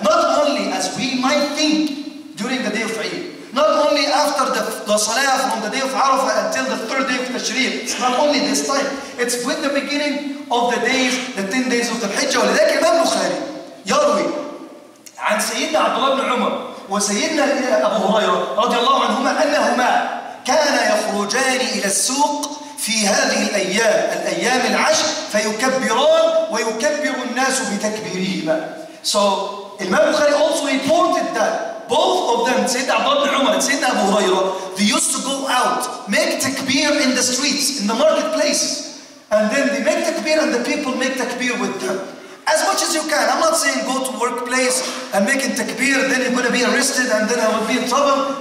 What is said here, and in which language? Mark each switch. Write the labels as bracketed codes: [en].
[en] Not only as we might think during the day of Eid. Not only after the salah from the day of Arafah until the 3rd day of Tashreeq. It's not only this time. It's with the beginning of the days, the 10 days of the Hijjah. [ar] ولذلك Imam Bukhari يروي عن سيدنا عبد الله بن عمر وسيدنا أبو هريرة رضي الله عنهما أنهما كان يخرجان إلى السوق في هذه الأيام الأيام العشر فيكبران ويكبر الناس بتكبيرهما. [en] So Imam Bukhari also reported that both of them, سيدنا عبد الله بن عمر and سيدنا أبو هريرة, they used to go out, make takbir in the streets, in the marketplaces, and then they make takbir and the people make takbir with them. As much as you can. I'm not saying go to workplace and make it takbir, then you're gonna be arrested and then I will be in trouble.